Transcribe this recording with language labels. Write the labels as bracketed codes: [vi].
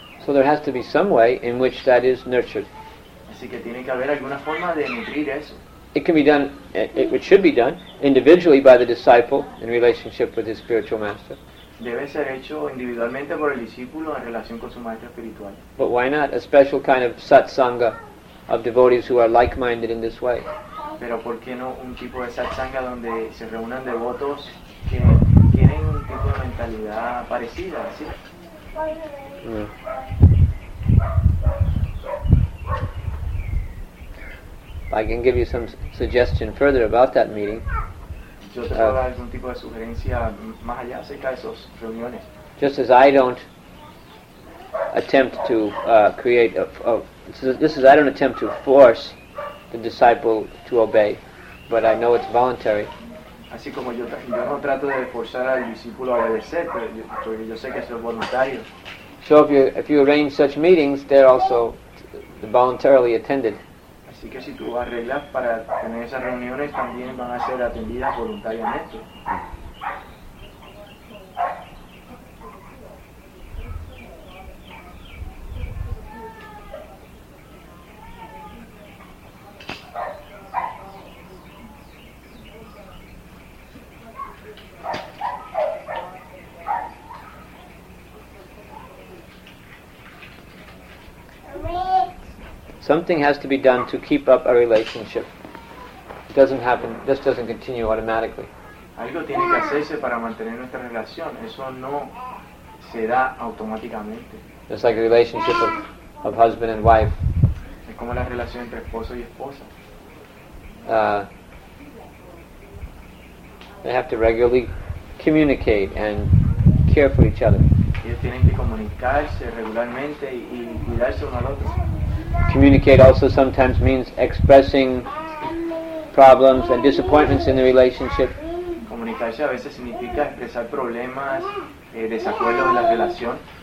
[en] So there has to be some way in which that is nurtured. [es] Así que tiene que haber alguna forma de nutrir eso. [en] It can be done, it should be done, individually by the disciple in relationship with his spiritual master. [es] Debe ser hecho individualmente por el discípulo en relación con su maestro espiritual. [en] But why not? A special kind of satsanga of devotees who are like-minded in this way. [es] Pero por qué no un tipo de satsanga donde se reúnan devotos que tienen un tipo de mentalidad parecida, ¿sí? Mm. [en] I can give you some suggestion further about that meeting. [es] Yo te puedo dar algún tipo de sugerencia más allá acerca de esas reuniones. [en] Just as I don't attempt to create, I don't attempt to force the disciple to obey, but I know it's voluntary. [es] Así como yo no trato de forzar al discípulo a obedecer, pero yo sé que es voluntario. [en] So if you arrange such meetings, they're also voluntarily attended. [es] Así que si tú arreglas para tener esas reuniones, también van a ser atendidas voluntariamente. [en] Something has to be done to keep up a relationship. It doesn't happen, this doesn't continue automatically. [es] Algo tiene que hacerse para mantener nuestra relación. Eso no se da automáticamente. [en] It's like a relationship of husband and wife. [es] Es como la relación entre esposo y esposa. [en] They have to regularly communicate and care for each other. [es] Ellos tienen que comunicarse regularmente y cuidarse uno al otro. [en] Communicate also sometimes means expressing problems and disappointments in the relationship. [es] Comunicarse a veces significa expresar problemas, desacuerdos en la relación.